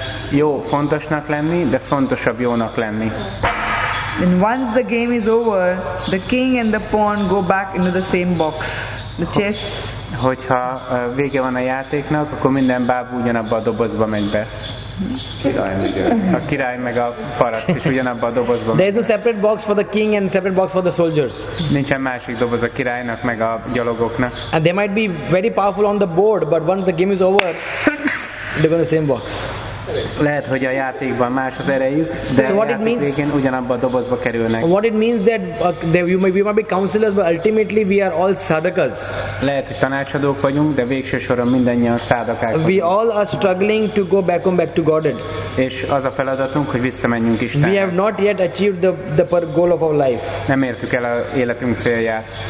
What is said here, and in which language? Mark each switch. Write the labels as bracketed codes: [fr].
[hu] Jó fontosnak lenni, de fontosabb jónak lenni. [en] And once the game is over, the king and the pawn go back into the same box. The chess. [hu] Hogyha vége van a játéknak, akkor minden bábú ugyanabba a dobozba megy be. A király meg a paraszt is ugyanabba a dobozba megy be. [en] There is a separate box for the king and separate box for the soldiers. [hu] Nincsen másik doboz a királynak meg a gyalogoknak. [en] And they might be very powerful on the board, but once the game is over, they go in the same box. [hu] Lehet, hogy a játékban más az erejük, de [en] so what [hu] a játék [en] it means, [hu] végén ugyanabba a dobozba kerülnek. [en] What it means that we might be counselors, but ultimately we are all sadakas. [hu] Lehet, hogy tanácsadók vagyunk, de végső soron mindannyian sadakák. [en] We all are struggling to go back home, back to Godhead. [hu] És az a feladatunk, hogy visszamenjünk Istenhez. [en] We have not yet achieved the goal of our life. [hu] Nem értük el a életünk célját.